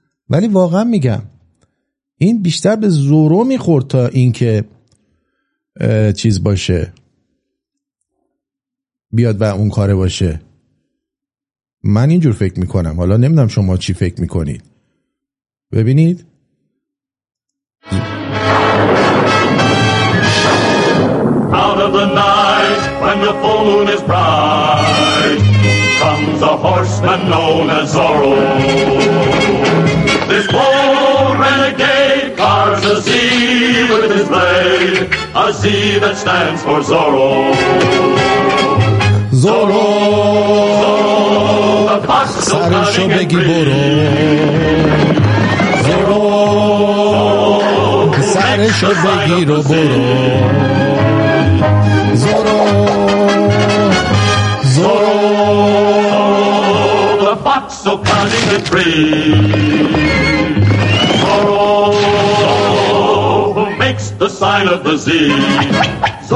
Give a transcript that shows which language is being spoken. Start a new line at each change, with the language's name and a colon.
Persian: ولی واقعا میگم این بیشتر به زورو میخورد تا اینکه چیز باشه، بیاد و اون کاره باشه. من اینجور فکر میکنم، حالا نمیدونم شما چی فکر میکنید. ببینید
English: Out of the night, when the full moon is bright, comes a horseman known as Zorro. This bold renegade carves a Z with his blade, a Z that stands for Zorro. Zorro, Zorro, the past so cunning and free.
Persian: Zorro, سرشو بگیر و برو، زورو زورو
English: the fox so cunning and free. Zorro who makes the sign of the Z.